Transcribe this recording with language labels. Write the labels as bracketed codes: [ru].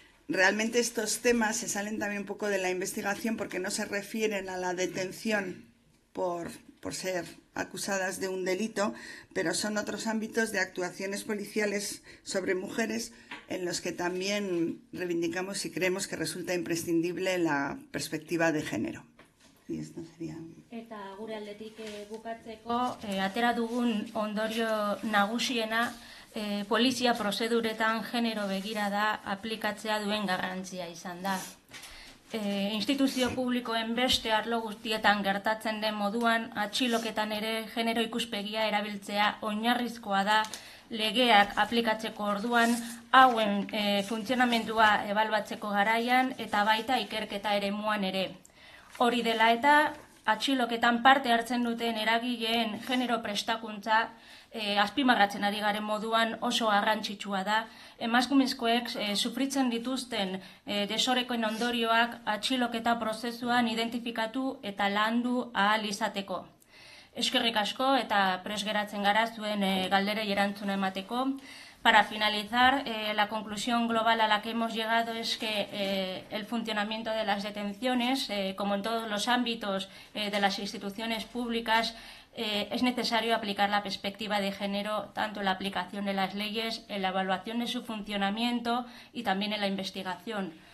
[es] Realmente estos temas se salen también un poco de la investigación porque no se refieren a la detención por ser acusadas de un delito, pero son otros ámbitos de actuaciones policiales sobre mujeres en los que también reivindicamos y creemos que resulta imprescindible la perspectiva de género. Y esto sería... [eu] Eta gure aldetik bukatzeko, atera dugun ondorio nagusiena, polizia prozeduretan genero begira da aplikatzea duen garrantzia izan da. Instituzio publikoen beste arlo guztietan gertatzen den moduan, atxiloketan ere genero ikuspegia erabiltzea oinarrizkoa da legeak aplikatzeko orduan, hauen funtzionamendua ebaluatzeko garaian eta baita ikerketa eremuan ere. Hori dela eta, atxiloketan parte hartzen duten eragileen genero prestakuntza azpimarratzen ari garen moduan oso garrantzitsua da. Emakumezkoek sufritzen dituzten desorekoen ondorioak atxiloketa prozesuan identifikatu eta landu ahal izateko. Eskerrik asko eta pres geratzen gara zuen galderei erantzuna emateko. [es] Para finalizar, la conclusión global a la que hemos llegado es que el funcionamiento de las detenciones, como en todos los ámbitos de las instituciones públicas, es necesario aplicar la perspectiva de género, tanto en la aplicación de las leyes, en la evaluación de su funcionamiento y también en la investigación.